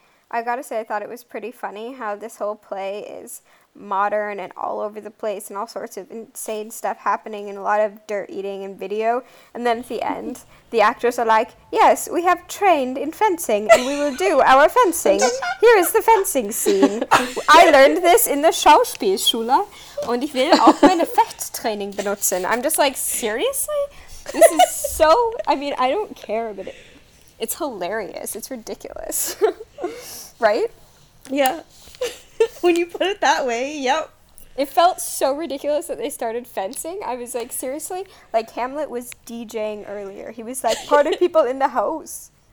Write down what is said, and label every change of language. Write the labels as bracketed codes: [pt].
[en] I gotta say, I thought it was pretty funny how this whole play is modern and all over the place and all sorts of insane stuff happening and a lot of dirt eating and video. And then at the end, the actors are like, yes, we have trained in fencing and we will do our fencing. Here is the fencing scene. I learned this in the Schauspielschule [de] und ich will auch meine Fechttraining benutzen. [en] I'm just like, seriously? This is so, I mean, I don't care, but it's hilarious. It's ridiculous. Right? Yeah. When you put it that way, yep. It felt so ridiculous that they started fencing. I was like, seriously? Like, Hamlet was DJing earlier. He was like, party people in the house.